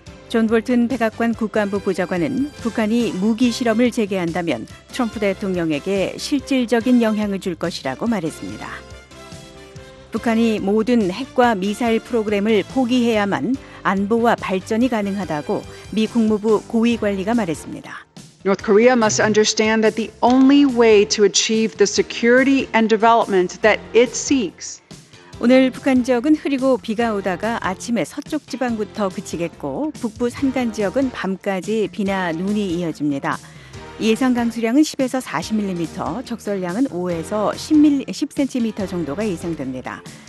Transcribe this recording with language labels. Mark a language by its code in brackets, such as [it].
[ko] 존 볼튼 백악관 국가안보 보좌관은 북한이 무기 실험을 재개한다면 트럼프 대통령에게 실질적인 영향을 줄 것이라고 말했습니다. 북한이 모든 핵과 미사일 프로그램을 포기해야만 안보와 발전이 가능하다고 미 국무부 고위 관리가 말했습니다. [en] North Korea must understand that the only way to achieve the security and development that it seeks. [ko] 오늘 북한 지역은 흐리고 비가 오다가 아침에 서쪽 지방부터 그치겠고 북부 산간 지역은 밤까지 비나 눈이 이어집니다. 예상 강수량은 10에서 40mm, 적설량은 5에서 10cm 정도가 예상됩니다.